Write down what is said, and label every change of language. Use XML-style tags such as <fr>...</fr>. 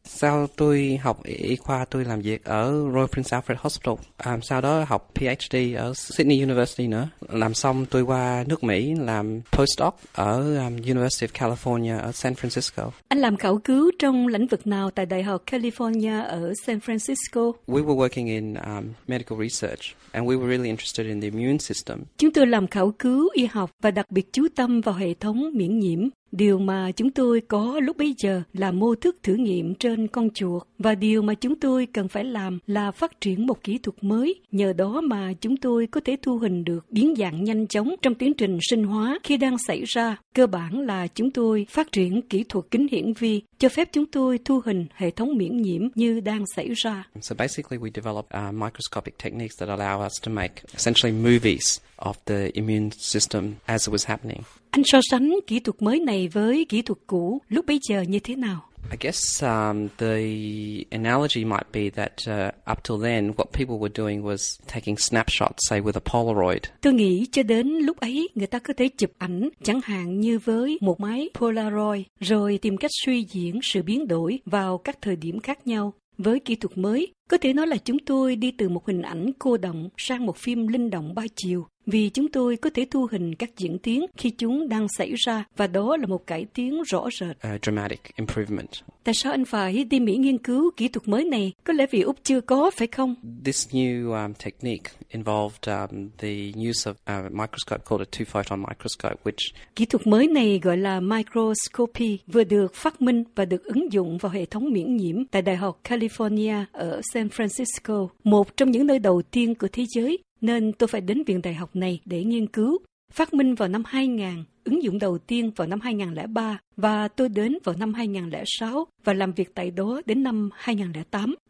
<vi>Sau tôi học y khoa, tôi làm việc ở Royal Prince Alfred Hospital. Sau đó học PhD ở Sydney University nữa. Làm xong, tôi qua nước Mỹ làm postdoc ở University of California ở San Francisco. Anh làm khảo cứu trong lĩnh vực nào tại Đại học California ở San Francisco?</vi> <en>We were working in medical research, and we were really interested in the immune system.</en> <vi>Chúng tôi làm khảo cứu y học và đặc biệt chú tâm vào hệ thống miễn nhiễm. Điều mà chúng tôi có lúc bấy giờ là mô thức thử nghiệm trên con chuột, và điều mà chúng tôi cần phải làm là phát triển một kỹ thuật mới. Nhờ đó mà chúng tôi có thể thu hình được biến dạng nhanh chóng trong tiến trình sinh hóa khi đang xảy ra. Cơ bản là chúng tôi phát triển kỹ thuật kính hiển vi cho phép chúng tôi thu hình hệ thống miễn nhiễm như đang xảy ra.</vi> <en>So basically we develop microscopic techniques that allow us to make essentially movies of the immune system as it was happening.</en> <vi>Anh so sánh kỹ thuật mới này với kỹ thuật cũ lúc bấy giờ như thế nào?</vi> <en>I guess the analogy might be that up till then what people were doing was taking snapshots, say with a Polaroid.</en> <vi>Tôi nghĩ cho đến lúc ấy người ta có thể chụp ảnh chẳng hạn như với một máy Polaroid rồi tìm cách suy diễn sự biến đổi vào các thời điểm khác nhau. Với kỹ thuật mới, có thể nói là chúng tôi đi từ một hình ảnh cô đọng sang một phim linh động ba chiều, vì chúng tôi có thể thu hình các diễn tiến khi chúng đang xảy ra và đó là một cải tiến rõ rệt.</vi> <en>Dramatic improvement.</en> <vi>Tại sao anh phải đi Mỹ nghiên cứu kỹ thuật mới này? Có lẽ vì Úc chưa có, phải không?</vi> <en>This new technique involved the use of a microscope called a two-photon microscope, which...</en> <vi>Kỹ thuật mới này gọi là microscopy, vừa được phát minh và được ứng dụng vào hệ thống miễn nhiễm tại Đại học California ở San Francisco, một trong những nơi đầu tiên của thế giới. Nên tôi phải đến viện đại học này để nghiên cứu. Phát minh vào năm 2000, ứng dụng đầu tiên vào năm 2003, và tôi đến vào năm 2006 và làm việc tại đó đến năm 2008.</vi>